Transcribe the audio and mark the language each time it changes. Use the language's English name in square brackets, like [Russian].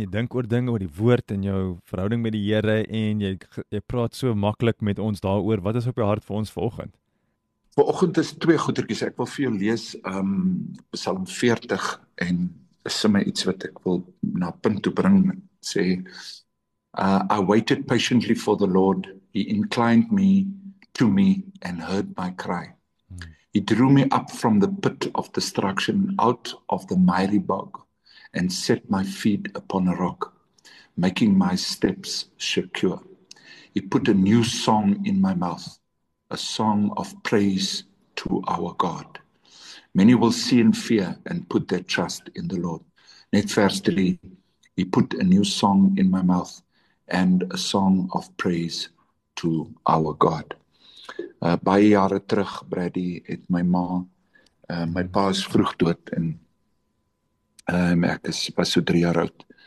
[Afrikaans] Jy dink oor dinge, oor die woord en jou verhouding met die Here en jy praat so maklik met ons daaroor. Wat is op jou hart vir ons vanoggend? Vanoggend is twee goetertjies. Ek wil vir jou lees Psalm 40 en is sommer iets wat ek wil na punt toe bring. [English] Sê, I waited patiently for the Lord. He inclined me to me and heard my cry. He drew me up from the pit of destruction, out of the miry bog, and set my feet upon a rock, making my steps secure. He put a new song in my mouth, a song of praise to our God. Many will see and fear and put their trust in the Lord. Net vers 3, He put a new song in my mouth and a song of praise to our God. [Afrikaans] Baie jare terug, Braddy, het my ma, my pa is vroeg dood en ek was so 3 jaar oud.